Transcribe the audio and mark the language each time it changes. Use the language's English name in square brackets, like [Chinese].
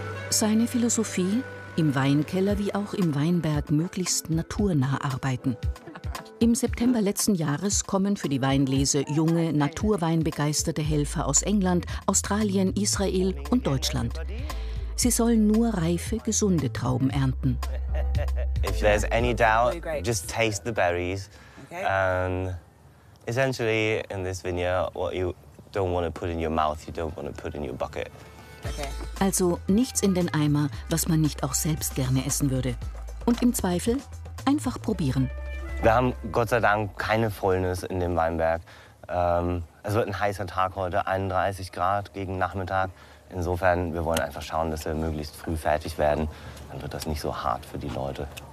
[German] Seine Philosophie? Im Weinkeller wie auch im Weinberg möglichst naturnah arbeiten. Im September letzten Jahres kommen für die Weinlese junge, naturweinbegeisterte Helfer aus England, Australien, Israel und Deutschland. Sie sollen nur reife, gesunde Trauben ernten. [English] If there's any doubt, just taste the berries. And essentially in this vineyard, what you don't want to put in your mouth, you don't want to put in your bucket. [German] Also nichts in den Eimer, was man nicht auch selbst gerne essen würde. Und im Zweifel einfach probieren. Wir haben Gott sei Dank keine Fäulnis in dem Weinberg. Es wird ein heißer Tag heute, 31 Grad gegen Nachmittag. Insofern, wir wollen einfach schauen, dass wir möglichst früh fertig werden. Dann wird das nicht so hart für die Leute.